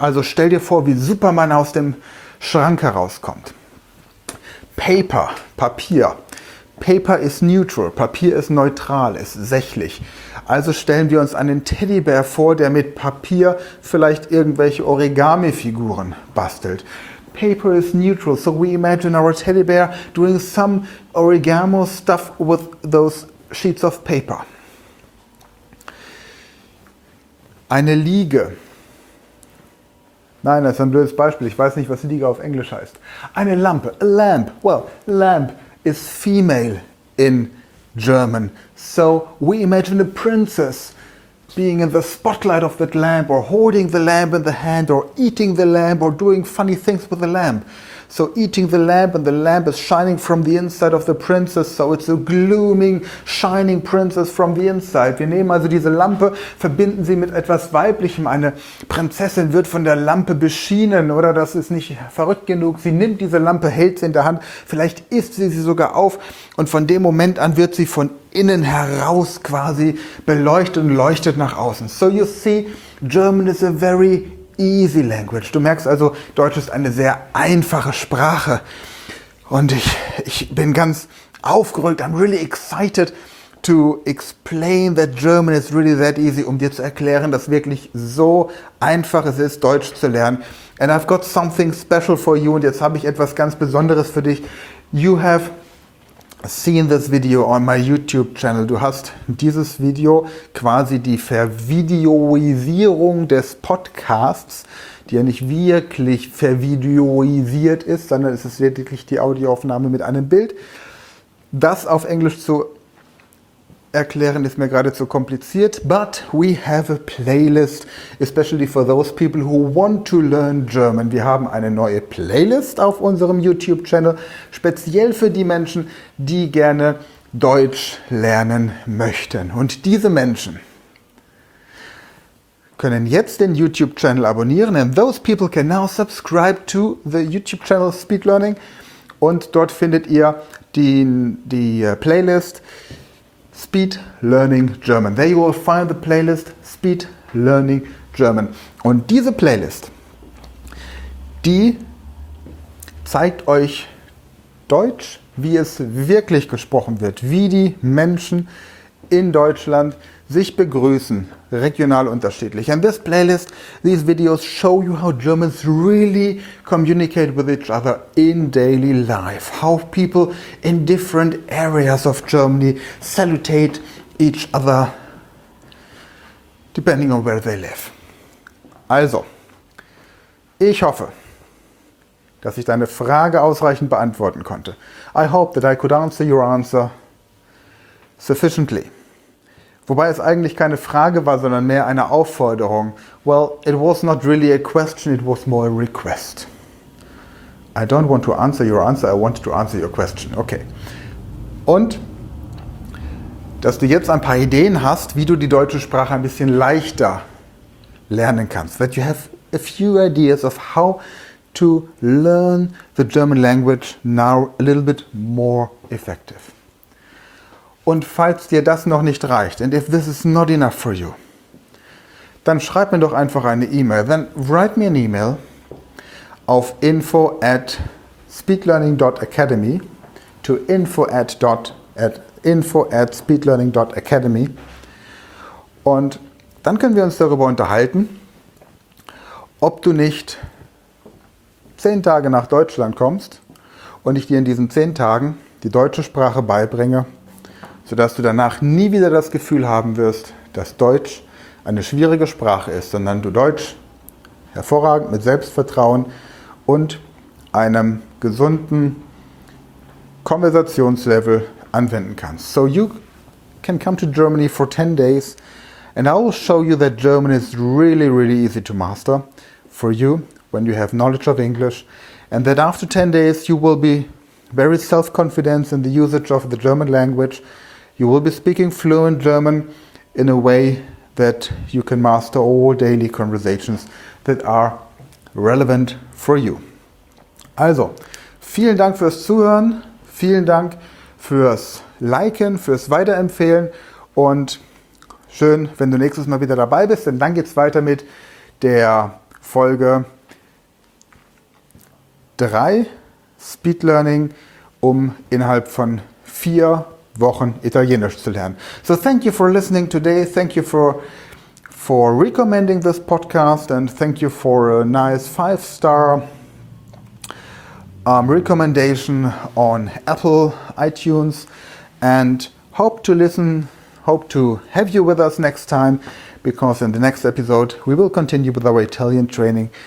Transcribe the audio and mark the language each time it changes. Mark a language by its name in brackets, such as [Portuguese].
[German] Also stell dir vor, wie Superman aus dem Schrank herauskommt. Paper. Papier. [English] Paper is neutral. [German] Papier ist neutral, ist sächlich. Also stellen wir uns einen Teddybär vor, der mit Papier vielleicht irgendwelche Origami-Figuren bastelt. [English] Paper is neutral, so we imagine our teddy bear doing some origami stuff with those sheets of paper. [German] Eine Liege. Nein, das ist ein blödes Beispiel. Ich weiß nicht, was Liege auf Englisch heißt. Eine Lampe. [English] A lamp. Well, lamp is female in German. So we imagine a princess being in the spotlight of that lamp, or holding the lamp in the hand, or eating the lamp, or doing funny things with the lamp. So eating the lamp, and the lamp is shining from the inside of the princess, so it's a glooming, shining princess from the inside. [German] Wir nehmen also diese Lampe, verbinden sie mit etwas Weiblichem. Eine Prinzessin wird von der Lampe beschienen, oder das ist nicht verrückt genug. Sie nimmt diese Lampe, hält sie in der Hand, vielleicht isst sie sie sogar auf, und von dem Moment an wird sie von innen heraus quasi beleuchtet und leuchtet nach außen. [English] So you see, German is a very easy language. [German] Du merkst also, Deutsch ist eine sehr einfache Sprache. Und ich bin ganz aufgerückt. [English] I'm really excited to explain that German is really that easy, [German] um dir zu erklären, dass wirklich so einfach es ist, Deutsch zu lernen. [English] And I've got something special for you. [German] Und jetzt habe ich etwas ganz Besonderes für dich. [English] You have seen this video on my YouTube channel. [German] Du hast dieses Video, quasi die Vervideoisierung des Podcasts, die ja nicht wirklich vervideoisiert ist, sondern es ist lediglich die Audioaufnahme mit einem Bild. Das auf Englisch zu erklären ist mir gerade zu kompliziert, [English] but we have a playlist, especially for those people who want to learn German. [German] Wir haben eine neue Playlist auf unserem YouTube-Channel, speziell für die Menschen, die gerne Deutsch lernen möchten. Und diese Menschen können jetzt den YouTube-Channel abonnieren, [English] and those people can now subscribe to the YouTube-Channel Speed Learning, [German] und dort findet ihr die Playlist Speed Learning German. [English] There you will find the playlist Speed Learning German. [German] Und diese Playlist, die zeigt euch Deutsch, wie es wirklich gesprochen wird, wie die Menschen in Deutschland sich begrüßen, regional unterschiedlich. [English] And this playlist, these videos show you how Germans really communicate with each other in daily life. How people in different areas of Germany salutate each other, depending on where they live. [German] Also, ich hoffe, dass ich deine Frage ausreichend beantworten konnte. [English] I hope that I could answer your answer sufficiently. [German] Wobei es eigentlich keine Frage war, sondern mehr eine Aufforderung. [English] Well, it was not really a question, it was more a request. I don't want to answer your answer, I wanted to answer your question. Okay. [German] Und, dass du jetzt ein paar Ideen hast, wie du die deutsche Sprache ein bisschen leichter lernen kannst. [English] That you have a few ideas of how to learn the German language now a little bit more effective. [German] Und falls dir das noch nicht reicht, [English] and if this is not enough for you, [German] dann schreib mir doch einfach eine E-Mail. [English] Then write me an email [German] auf info@speedlearning.academy [English] to info@speedlearning.academy, [German] und dann können wir uns darüber unterhalten, ob du nicht 10 Tage nach Deutschland kommst und ich dir in diesen 10 Tagen die deutsche Sprache beibringe, sodass du danach nie wieder das Gefühl haben wirst, dass Deutsch eine schwierige Sprache ist, sondern du Deutsch hervorragend mit Selbstvertrauen und einem gesunden Konversationslevel anwenden kannst. [English] So you can come to Germany for 10 days and I will show you that German is really, really easy to master for you when you have knowledge of English, and that after 10 days you will be very self-confident in the usage of the German language. You will be speaking fluent German in a way that you can master all daily conversations that are relevant for you. [German] Also, vielen Dank fürs Zuhören, vielen Dank fürs Liken, fürs Weiterempfehlen und schön, wenn du nächstes Mal wieder dabei bist, denn dann geht's weiter mit der Folge 3 Speed Learning, um innerhalb von 4 Wochen Italienisch zu lernen. [English] So thank you for listening today, thank you for recommending this podcast and thank you for a nice 5-star recommendation on Apple iTunes, and hope to have you with us next time, because in the next episode we will continue with our Italian training.